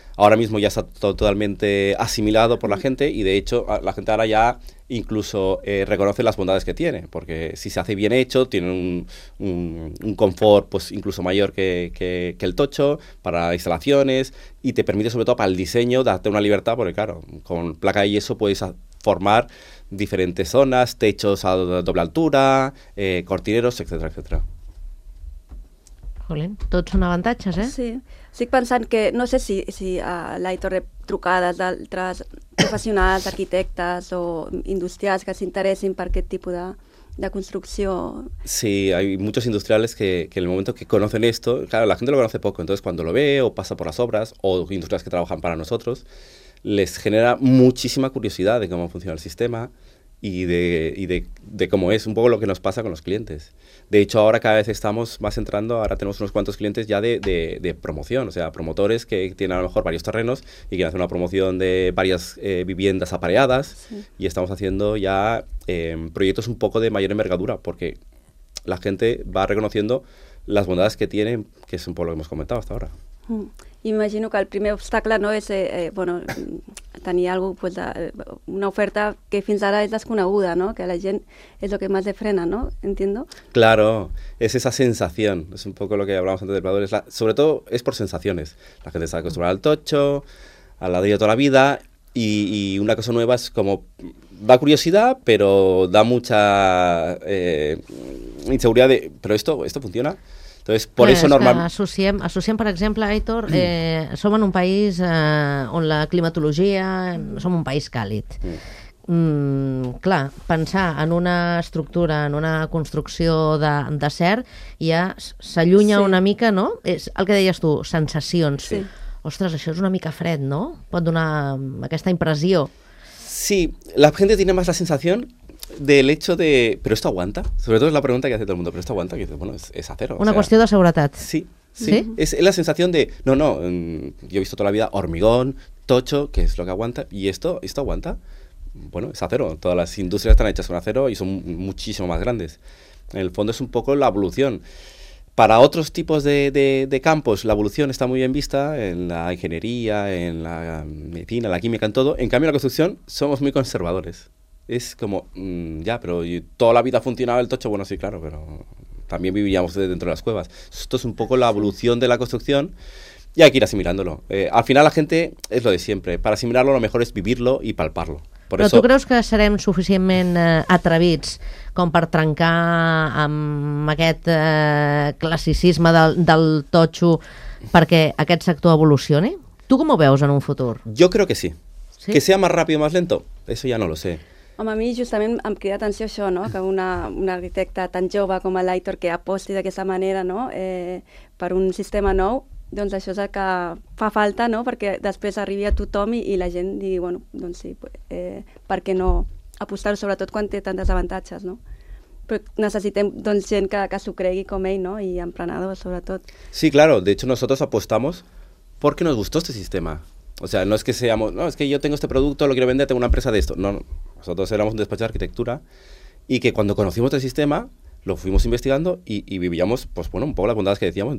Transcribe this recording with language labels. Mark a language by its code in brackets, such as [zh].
[es] Ahora mismo ya está totalmente asimilado por la gente y de hecho la gente ahora ya incluso reconoce las bondades que tiene, porque si se hace bien hecho tiene un confort pues incluso mayor que el tocho para instalaciones y te permite sobre todo para el diseño darte una libertad, porque claro, con placa de yeso puedes formar diferentes zonas, techos a doble altura, cortineros, etcétera, etcétera. [ca] Jolín, tots són avantatges, eh? Sí. Estic pensant que, no sé si l'Aitor rep trucades d'altres professionals, arquitectes o industrials que s'interessin per aquest tipus de construcció. [es] Sí, hay muchos industriales que en el momento que conocen esto, claro, la gente lo conoce poco, entonces cuando lo ve o pasa por las obras o industriales que trabajan para nosotros, les genera muchísima curiosidad de cómo funciona el sistema y de cómo es un poco lo que nos pasa con los clientes. De hecho, ahora cada vez estamos más entrando, ahora tenemos unos cuantos clientes ya de promoción, o sea, promotores que tienen a lo mejor varios terrenos y quieren hacer una promoción de varias viviendas apareadas, sí. Y estamos haciendo ya proyectos un poco de mayor envergadura, porque la gente va reconociendo las bondades que tienen, que es un poco lo que hemos comentado hasta ahora. [ca] Imagino que el primer obstacle no és bueno, tenir algo, pues, de, una oferta que fins ara és desconeguda, no? Que la gent és el que més de frena, no? [es] Entiendo. Claro, es esa sensación, es un poco lo que hablábamos antes del Prado, sobre todo es por sensaciones. La gente está acostumbrada al tocho, al ladrillo toda la vida, y una cosa nueva es como, da curiosidad, pero da mucha inseguridad de, pero esto funciona. Entonces, por eso normal... [ca] Associem, per exemple, Aitor, som en un país on la climatologia... Som un país càlid. Clar, pensar en una estructura, en una construcció de desert, ja s'allunya una mica, no? És el que deies tu, sensacions. Sí. Ostres, això és una mica fred, no? Pot donar aquesta impressió. [es] Sí, la gente tiene más la sensación... Del hecho de... ¿Pero esto aguanta? Sobre todo es la pregunta que hace todo el mundo. ¿Pero esto aguanta? Que bueno, es acero. Una cuestión de seguridad. Sí, sí. ¿Sí? Es la sensación de... No, no, yo he visto toda la vida hormigón, tocho, que es lo que aguanta. ¿Y esto aguanta? Bueno, es acero. Todas las industrias están hechas con acero y son muchísimo más grandes. En el fondo es un poco la evolución. Para otros tipos de campos, la evolución está muy bien vista en la ingeniería, en la medicina, la química, en todo. En cambio, en la construcción somos muy conservadores. Es como, ya, pero toda la vida funcionaba el tocho, bueno, sí, claro, pero también viviríamos dentro de las cuevas. Esto es un poco la evolución de la construcción y hay que ir asimilándolo. Al final la gente es lo de siempre, para asimilarlo lo mejor es vivirlo y palparlo. [ca] Por però eso... tu creus que serem suficientment atrevits com per trencar amb aquest classicisme del tocho perquè aquest sector evolucioni? Tu com ho veus en un futur? [es] Yo creo que sí. Que sea más rápido o más lento, eso ya no lo sé. [ca] Home, a mi justament em crida atenció això, no? Que una arquitecta tan jove com l'Aitor que aposti d'aquesta manera, no? Per un sistema nou, doncs això és el que fa falta, no? Perquè després arribi a tothom i la gent digui, bueno, doncs sí, per què no apostar-ho, sobretot quan té tantes avantatges, no? Però necessitem doncs, gent que s'ho cregui com ell, no? I emprenedors, sobretot. [es] Sí, claro, de hecho nosotros apostamos porque nos gustó este sistema. O sea, no es que seamos, no, es que yo tengo este producto, lo quiero vender, tengo una empresa de esto. No, nosotros éramos un despacho de arquitectura y que cuando conocimos el sistema, lo fuimos investigando y vivíamos, pues bueno, un poco las bondades que decíamos.